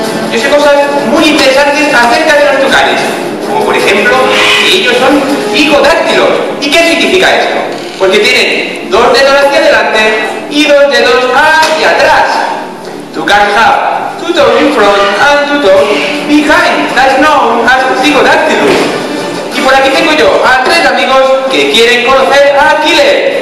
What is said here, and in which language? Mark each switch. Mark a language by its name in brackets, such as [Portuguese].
[Spanish] Yo sé cosas muy interesantes acerca de los tucanes. Como por ejemplo, que ellos son psicodáctilos. ¿Y qué significa esto? Pues que tienen dos dedos hacia adelante y dos dedos hacia atrás. [English] Toucan have two toes in front and two toes behind. That's known as psicodactylus. [Spanish] Y por aquí tengo yo a tres amigos que quieren conocer a Killer.